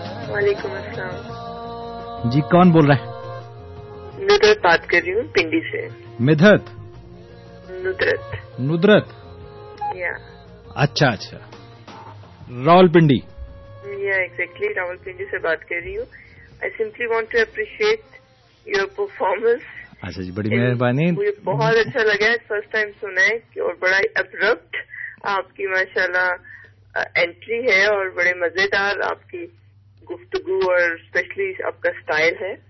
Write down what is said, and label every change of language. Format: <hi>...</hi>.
<ur>وعلیکم السلام. جی کون بول رہے ہیں؟ ندرت بات کر رہی ہوں پنڈی سے. مدھت ندرت. ندرت</ur> <en>yeah.</en> <ur>اچھا اچھا. راول پنڈی.</ur> <en>yeah, exactly,</en> <ur>راول پنڈی سے بات کر رہی ہوں.</ur> <en>I simply want to appreciate your performance.</en> <ur>اچھا جی بڑی مہربانی. مجھے بہت اچھا لگا ہے، فرسٹ ٹائم سنا ہے، اور بڑا ابرپٹ آپ کی ماشاء اللہ انٹری ہے، اور بڑے مزیدار آپ کی گفتگو، اور اسپیشلی آپ کا اسٹائل ہے.</ur>